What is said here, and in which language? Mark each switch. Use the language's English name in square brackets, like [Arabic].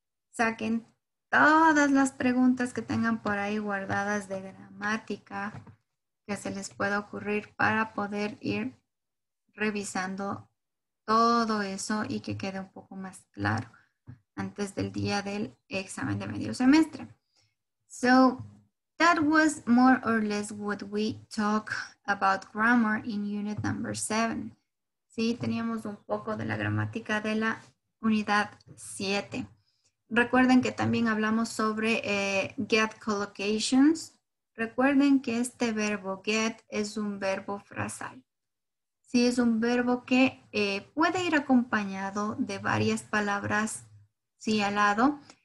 [Spanish] Saquen todas las preguntas que tengan por ahí guardadas de gramática que se les pueda ocurrir para poder ir revisando todo eso y que quede un poco más claro antes del día del examen de medio semestre. [English] So, that was more or less what we talked about grammar in unit number 7. [Spanish] Sí, teníamos un poco de la gramática de la unidad 7. Recuerden que también hablamos sobre get collocations. Recuerden que este verbo get es un verbo frasal. Sí, es un verbo que puede ir acompañado de varias palabras, sí, al lado.